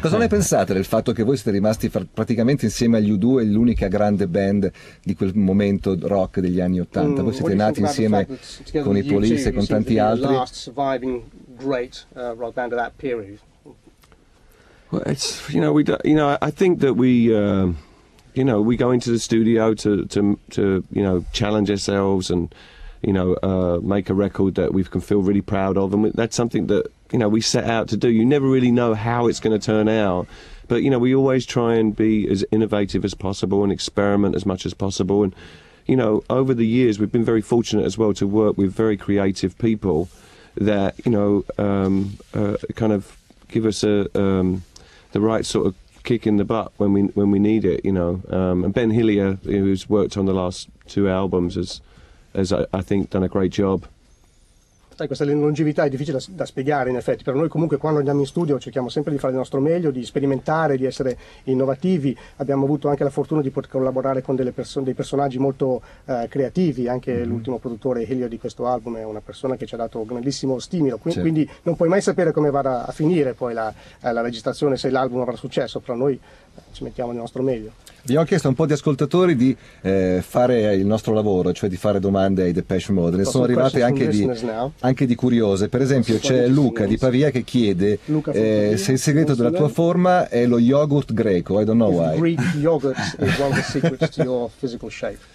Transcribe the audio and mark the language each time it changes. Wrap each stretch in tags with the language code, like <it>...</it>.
<it>Cosa ne pensate del fatto che voi siete rimasti praticamente insieme agli U2 l'unica grande band di quel momento rock degli anni '80? Voi siete nati insieme con i Police e con tanti altri.</it> <en>Great rock band of that period. Well, I think that we go into the studio to you know challenge ourselves and you know make a record that we can feel really proud of, and that's something that you know we set out to do. You never really know how it's going to turn out, but you know we always try and be as innovative as possible and experiment as much as possible. And you know over the years we've been very fortunate as well to work with very creative people that you know kind of give us the right sort of kick in the butt when we need it, you know. And Ben Hillier, who's worked on the last two albums, has, I think, done a great job.</en> <it>Sai, questa longevità è difficile da spiegare, in effetti. Per noi comunque quando andiamo in studio cerchiamo sempre di fare il nostro meglio, di sperimentare, di essere innovativi. Abbiamo avuto anche la fortuna di poter collaborare con delle dei personaggi molto creativi, anche l'ultimo produttore Helio di questo album è una persona che ci ha dato grandissimo stimolo. Quindi non puoi mai sapere come vada a finire poi la registrazione, se l'album avrà successo, però noi ci mettiamo il nostro meglio. Abbiamo chiesto a un po' di ascoltatori di fare il nostro lavoro, cioè di fare domande ai Depeche Mode. Ne sono arrivate anche di curiose. Per esempio c'è Luca di Pavia che chiede se il segreto della tua forma è lo yogurt greco.</it> <en>I don't know why. Greek yogurt is one of the secrets to your physical shape.</en>